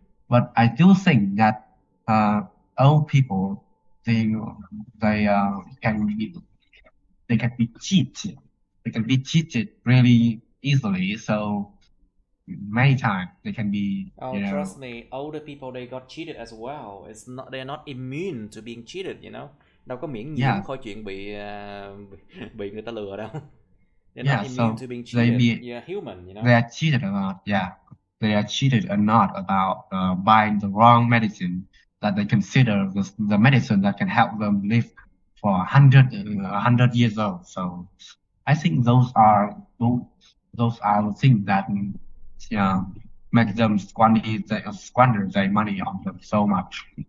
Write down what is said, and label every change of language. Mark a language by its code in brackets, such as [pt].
[en] But I do think that old people they can be cheated. They can be cheated really easily. So many times they can be, Oh, trust me, older people, they got cheated as well. They're not immune to being cheated, [vi] Đâu có miễn nhiễm khỏi chuyện bị người ta lừa đâu. [en] They're not immune to being cheated. Yeah, human, They are cheated a lot, They are cheated a lot about buying the wrong medicine that they consider the medicine that can help them live for 100 years old. So I think those are the things that make them squander their money on them so much.